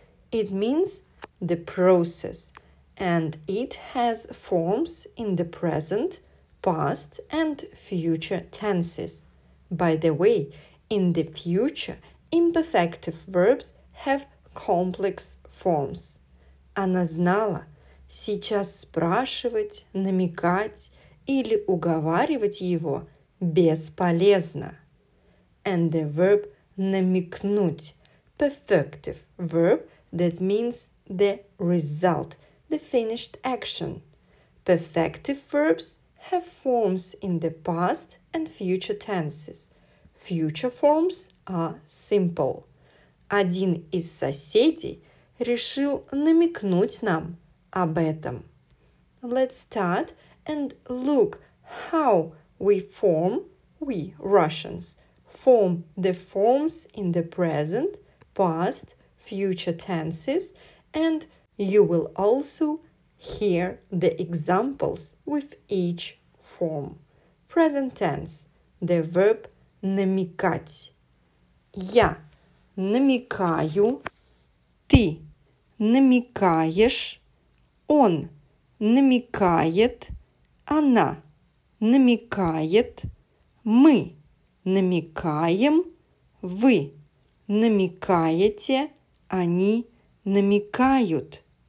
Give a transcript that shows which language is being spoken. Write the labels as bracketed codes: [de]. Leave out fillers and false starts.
[en] It means the process, and it has forms in the present, past, and future tenses. By the way, in the future, imperfective verbs have complex forms. [ru] Она знала, сейчас спрашивать, намекать или уговаривать его бесполезно. [en] And the verb намекнуть, perfective verb, that means the result, the finished action. Perfective verbs have forms in the past and future tenses. Future forms are simple. [ru] Один из соседей решил намекнуть нам об этом. [en] Let's start and look how we Russians, form the forms in the present, past, future tenses, and you will also hear the examples with each form. Present tense, the verb намекать. [ru] Я намекаю, ты намекаешь, он намекает, она намекает, мы намекаем, вы намекаете, они намекают.